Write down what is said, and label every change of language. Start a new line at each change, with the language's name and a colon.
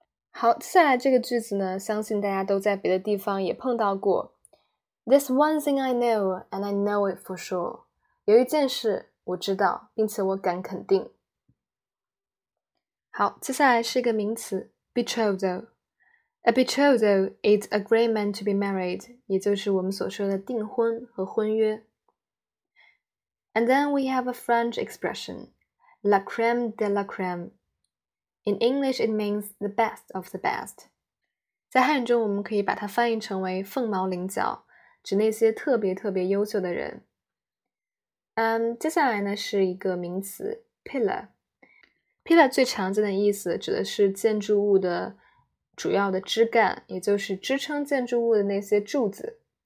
Chinese: 好，接下来这个句子呢，相信大家都在别的地方也碰到过。
English: There's one thing I know, and I know it for sure.
Chinese: 有一件事我知道，并且我敢肯定。好，接下来是一个名词 ,betrothal。
English: A betrothal is agreement to be married,
Chinese: 也就是我们所说的订婚和婚约。
English: And then we have a French expression, la crème de la crème. In English, it means the best of the best.
Chinese: 在汉语中我们可以把它翻译成为凤毛麟角，指那些特别特别优秀的人。接下来呢是一个名词 pillar。Pillar 最常见的意思指的是建筑物的主要的枝干，也就是支撑建筑物的那些柱子。